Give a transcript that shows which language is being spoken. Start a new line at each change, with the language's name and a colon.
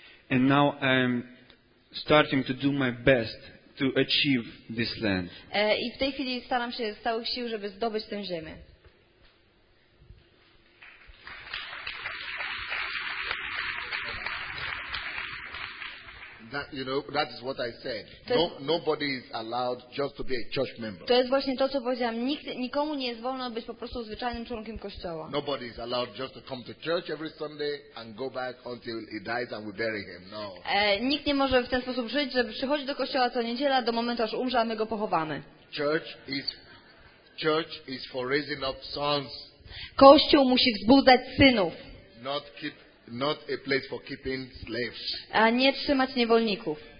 English: And now I'm starting to do my best to achieve this land.
Polish: I w tej chwili staram się z całych sił, żeby zdobyć tę ziemię.
English: That, you know, that is what I said. Nobody is allowed just to be a church member.
Polish: To jest właśnie to, co powiedziałam. Nikomu nie jest wolno być po prostu zwyczajnym członkiem kościoła.
English: Nobody is allowed just to come to church every Sunday and go back until he dies and we bury him. No.
Polish: Nikt nie może w ten sposób żyć, że przychodzi do kościoła co niedziela do momentu, aż umrze, a my go pochowamy.
English: Church is for raising up sons.
Polish: Kościół musi wzbudzać synów.
English: Not a place for keeping slaves.
Polish: A nie trzymać niewolników.